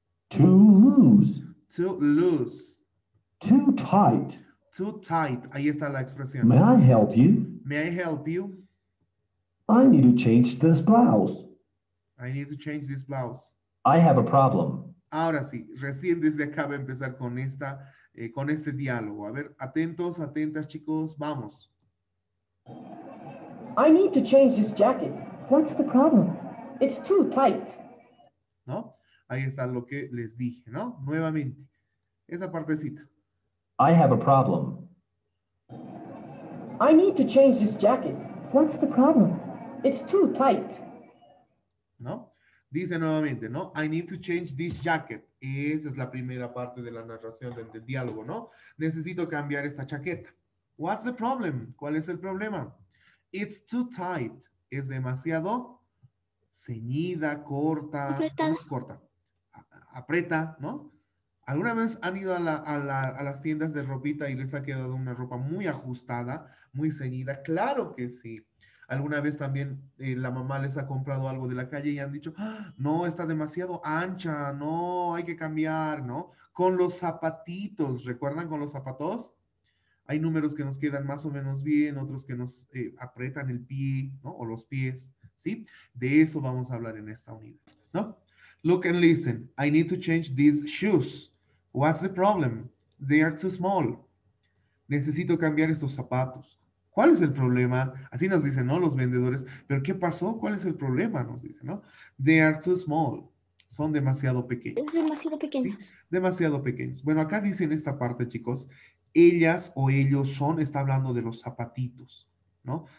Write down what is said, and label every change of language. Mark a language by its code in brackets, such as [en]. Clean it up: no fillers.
[en] Too loose. Too loose. Too tight. Too tight. Ahí está la expresión. May I help you? May I help you? I need to change this blouse. I need to change this blouse. I have a problem. [es] Ahora sí, recién desde acá va a empezar con esta, con este diálogo. A ver, atentos, atentas, chicos, vamos. [en] I need to change this jacket. What's the problem? It's too tight. [es] ¿No? Ahí está lo que les dije, ¿no? Nuevamente, esa partecita. [en] I have a problem. I need to change this jacket. What's the problem? It's too tight. [es] ¿No? Dice nuevamente, ¿no? [en] I need to change this jacket. [es] Esa es la primera parte de la narración del diálogo, ¿no? Necesito cambiar esta chaqueta. [en] What's the problem? [es] ¿Cuál es el problema? [en] It's too tight. [es] Es demasiado ceñida, corta. Apretada. ¿Cómo es corta? Aprieta, ¿no? ¿Alguna vez han ido a las tiendas de ropita y les ha quedado una ropa muy ajustada, muy ceñida? Claro que sí. Alguna vez también la mamá les ha comprado algo de la calle y han dicho, ¡ah, no, está demasiado ancha, no, hay que cambiar, ¿no? Con los zapatitos, ¿recuerdan con los zapatos? Hay números que nos quedan más o menos bien, otros que nos aprietan el pie, ¿no? O los pies, ¿sí? De eso vamos a hablar en esta unidad, ¿no? [en] Look and listen, I need to change these shoes. What's the problem? They are too small. [es] Necesito cambiar estos zapatos. ¿Cuál es el problema? Así nos dicen, ¿no? Los vendedores. ¿Pero qué pasó? ¿Cuál es el problema? Nos dicen, ¿no? [en] They are too small. [es] Son demasiado pequeños. Es demasiado pequeños. ¿Sí? Demasiado pequeños. Bueno, acá dice en esta parte, chicos, ellas o ellos son, está hablando de los zapatitos, ¿no?